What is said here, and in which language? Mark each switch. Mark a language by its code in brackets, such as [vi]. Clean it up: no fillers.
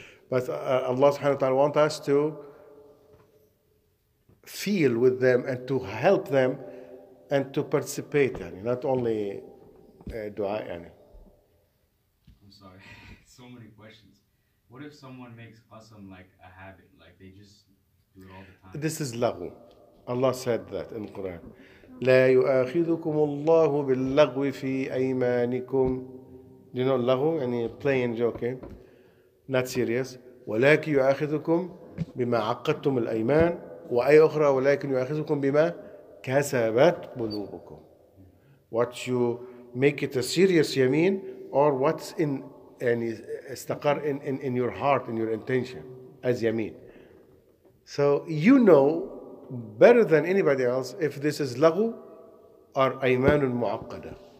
[en] But Allah subhanahu wa ta'ala wants us to feel with them and to help them and to participate, not only dua. I'm sorry, so many questions. What if someone makes qasam like a habit, like they just do it all the time? This is lagu. Allah said that in the Quran. [ar] لا يؤاخذكم الله باللغو في أيمانكم. [en] Do you know اللغو? يعني playing, joking, not serious. [ar] ولكن يؤاخذكم بما عقدتم الأيمان وأي أخرى ولكن يؤاخذكم بما كسبت قلوبكم. [en] What you make it a serious يمين or what's in [ar] يعني استقر [en] in your heart, in your intention as يمين. So you know better than anybody else if this is lagu or ayman al muaqqada.